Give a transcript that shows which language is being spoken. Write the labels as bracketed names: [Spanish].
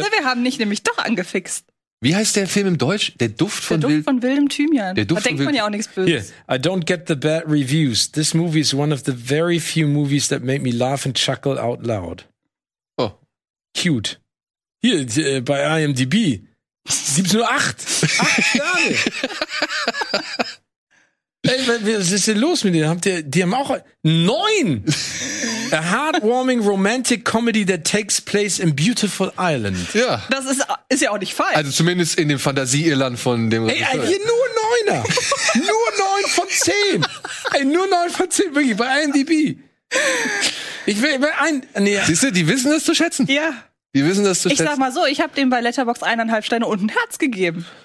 [German] Wir haben dich nämlich doch angefixt. Wie heißt der Film im Deutsch? Der Duft von wildem Thymian. Der Duft da denkt man ja auch nichts Böses. [English] Here, I don't get the bad reviews. This movie is one of the very few movies that make me laugh and chuckle out loud. Oh. Cute. [German] Hier, bei IMDb gibt es nur 8. 8 Sterne. Ey, was ist denn los mit denen? Die haben auch 9. [English] A heartwarming romantic comedy that takes place in beautiful Ireland. [German] Ja. Das ist ja auch nicht falsch. Also zumindest in dem Fantasie-Irland von dem. Ey, hier nur 9er. Nur 9 von 10. Ey, nur 9 von 10, wirklich, bei IMDb. Siehst du, die wissen das zu schätzen. Ja. Die wissen das zu schätzen. Ich sag mal so, ich habe dem bei Letterboxd 1,5 Sterne und ein Herz gegeben.